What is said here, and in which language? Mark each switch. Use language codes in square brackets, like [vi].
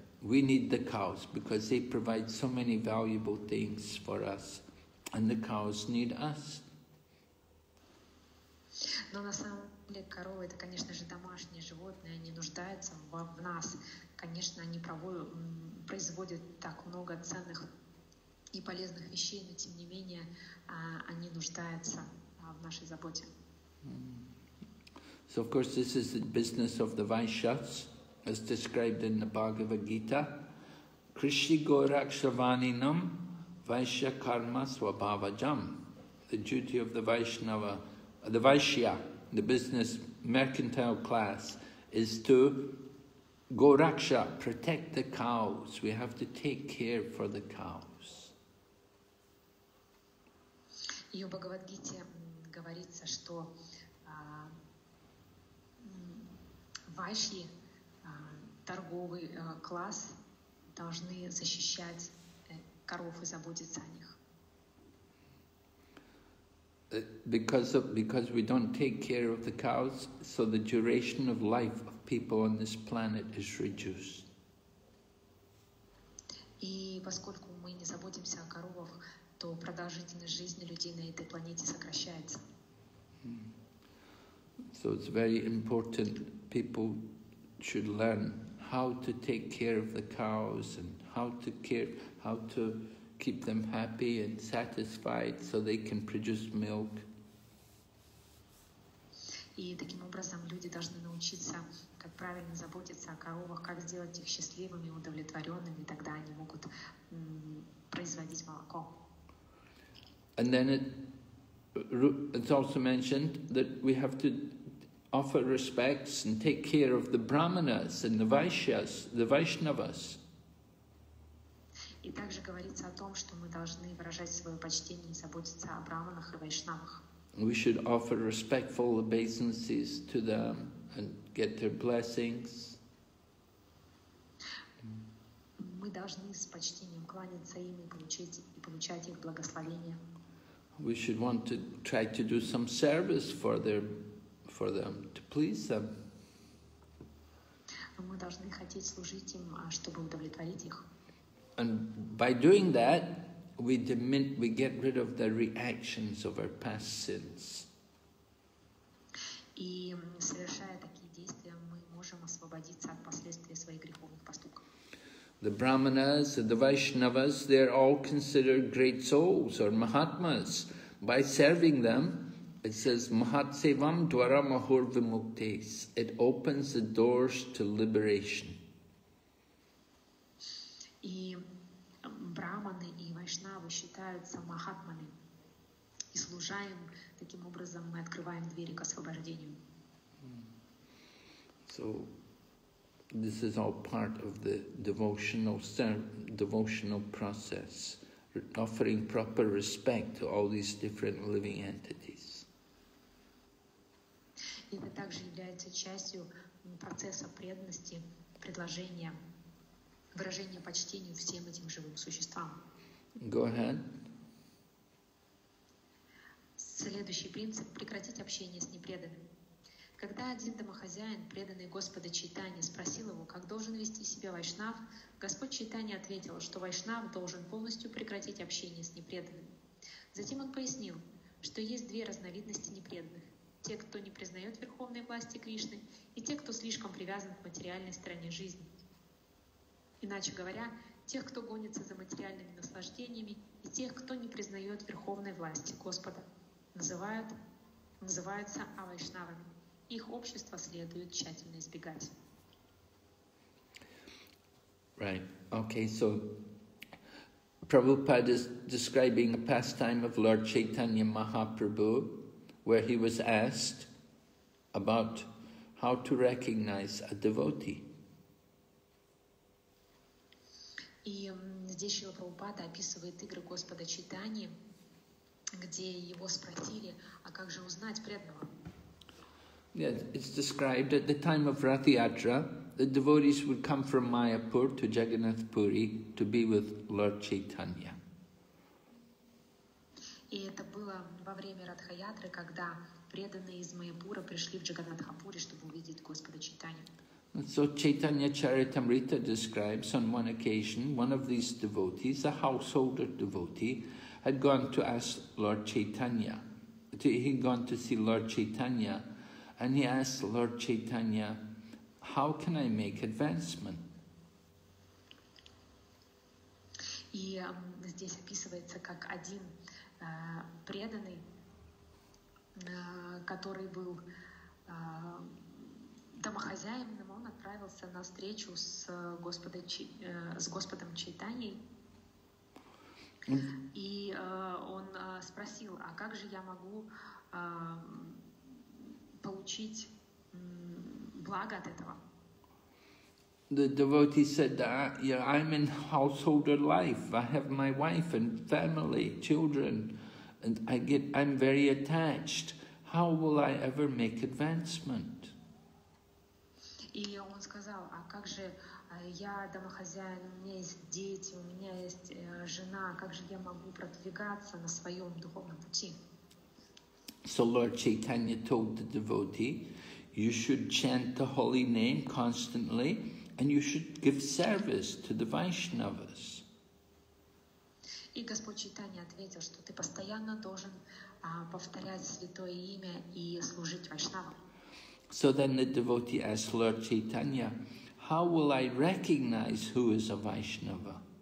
[en] We need the cows because they provide so many valuable things for us, and the cows need us. [ru] Но на самом деле коровы это, конечно же, домашние животные. Они нуждаются в нас. Конечно, они производят так много ценных и полезных вещей, но тем не менее они нуждаются в нашей заботе. [en] So, of course, this is the business of the Vaishyas. As described in the Bhagavad Gita, [sa] Krishi Gorakshavaninam Vaishya Karma Swabhavajam. [en] The duty of the Vaishnava, the Vaishya, the business mercantile class, is to Goraksha, protect the cows. We have to take care for the cows. In Bhagavad Gita, it says that Vaishya, [ru] торговый класс должны защищать коров и заботиться о них. [en] Because we don't take care of the cows, so the duration of life of people on this planet is reduced. [ru] И поскольку мы не заботимся о коровах, то продолжительность жизни людей на этой планете сокращается. [en] So it's very important people should learn how to take care of the cows and how to keep them happy and satisfied so they can produce milk. [ru] И таким образом люди должны научиться, как правильно заботиться о коровах, как сделать их счастливыми, удовлетворенными, и тогда они могут производить молоко. [en] And then it's also mentioned that we have to offer respects and take care of the brahmanas and the vaishyas, the vaishnavas. [ru] И также говорится о том, что мы должны выражать свое почтение и заботиться о брахманах и вайшнавах. [en] We should offer respectful obeisances to them and get their blessings. [ru] Мы должны с почтением кланяться им и получать их благословение. [en] We should want to try to do some service for their, for them, to please them. [ru] Мы должны хотеть служить им, чтобы удовлетворить их. [en] And by doing that, we get rid of the reactions of our past sins. [ru] И совершая такие действия, мы можем освободиться от последствий своих греховных поступков. [en] The brahmanas, the vaishnavas, they are all considered great souls or mahatmas. By serving them, it says [sa] mahatsevam dwara mahur vimuktes. [en] It opens the doors to liberation. [ru] И брахманы и вайшнавы считаются махатмами. И служа им, таким образом мы открываем двери к освобождению. [en] So this is all part of the devotional process, offering proper respect to all these different living entities. [ru] Это также является частью процесса преданности, предложения, выражения почтения всем этим живым существам. [en] Go ahead. [ru] Следующий принцип – прекратить общение с непреданными. Когда один домохозяин, преданный Господу Чайтанья, спросил его, как должен вести себя вайшнав, Господь Чайтанья ответил, что вайшнав должен полностью прекратить общение с непреданными. Затем он пояснил, что есть две разновидности непреданных – те, кто не признает верховной власти Кришны, и те, кто слишком привязан к материальной стороне жизни. Иначе говоря, тех, кто гонится за материальными наслаждениями, и тех, кто не признает верховной власти Господа, называются авайшнавами. Их общество следует тщательно избегать. [en] Right. Okay, so Prabhupada is describing a pastime of Lord Chaitanya Mahaprabhu, where he was asked about how to recognize a devotee. [ru] И здесь Шрила Прабхупада описывает игры Господа Чайтаньи, где его спросили, а как же узнать преданного? [en] Yes, it's described at the time of Rath Yatra, the devotees would come from Mayapur to Jagannath Puri to be with Lord Chaitanya. [ru] И это было во время Ратха-Ятры, когда преданные из Майяпура пришли в Джаганнатхапури, чтобы увидеть Господа Чайтанью. [en] So Chaitanya Charitamrita describes on one occasion one of these devotees, a householder devotee, had gone to ask Lord Chaitanya. He'd gone to see Lord Chaitanya, and he asked Lord Chaitanya, "How can I make advancement?" [ru] И здесь описывается как один преданный, который был домохозяином. Отправился на встречу с Господом Чайтаньей, и он спросил, а как же я могу получить благо от этого? [en] The devotee said that I'm in householder life. I have my wife and family, children, and I'm very attached. How will I ever make advancement? [ru] И он сказал, а как же я домохозяин, у меня есть дети, у меня есть жена, как же я могу продвигаться на своем духовном пути? [en] So Lord Chaitanya told the devotee, you should chant the holy name constantly, and you should give service to the Vaishnavas. [ru] И Господь Чайтанья ответил, что ты постоянно должен повторять святое имя и служить вайшнавам. [en] So then the devotee asked Lord Chaitanya, how will I recognize who is a Vaishnava?